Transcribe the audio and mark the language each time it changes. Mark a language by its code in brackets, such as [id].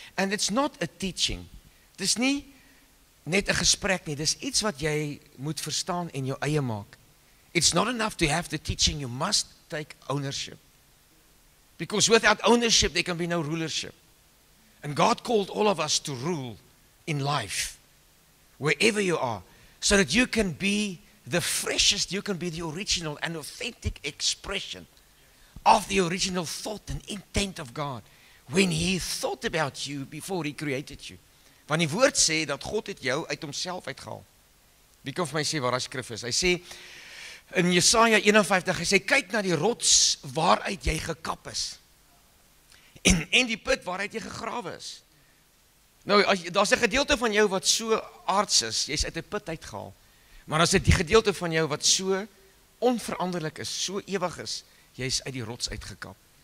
[en] And it's not a teaching, [af] het is nie net een gesprek nie, het is iets wat jy moet verstaan en jou eie maak. [en] It's not enough to have the teaching, you must take ownership. Because without ownership, there can be no rulership. And God called all of us to rule in life. Wherever you are, so that you can be the freshest, you can be the original and authentic expression of the original thought and intent of God when he thought about you before he created you. [af] Want die woord sê dat God het jou uit homself uitgehaal. Wie kan vir my sê waar die skrif is? Hy sê in Jesaja 51, hy sê, kyk na die rots waaruit jy gekap is en die put waaruit jy gegrawe is. Nou, daar is een gedeelte van jou wat so aards is, jy is uit die put uitgehaal, maar as dit die gedeelte van jou wat so onveranderlik is, so ewig is, jy is uit die rots uitgekap.